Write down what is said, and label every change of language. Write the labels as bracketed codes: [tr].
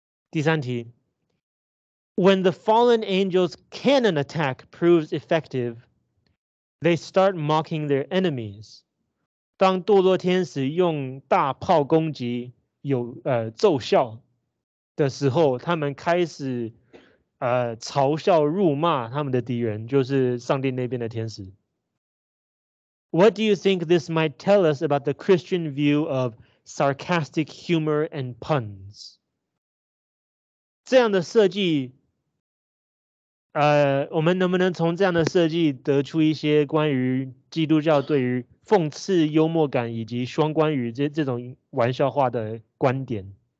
[zh] 第三题， [en] When the fallen angels' cannon attack proves effective，They start mocking their enemies. [zh] 当堕落天使用大炮攻击有奏效的时候，他们开始嘲笑辱骂他们的敌人，就是上帝那边的天使。 [en] What do you think this might tell us about the Christian view of sarcastic humor and puns? [zh] 这样的设计我们能不能从这样的设计得出一些关于基督教对于讽刺幽默感以及双关语 这种玩笑话的观点？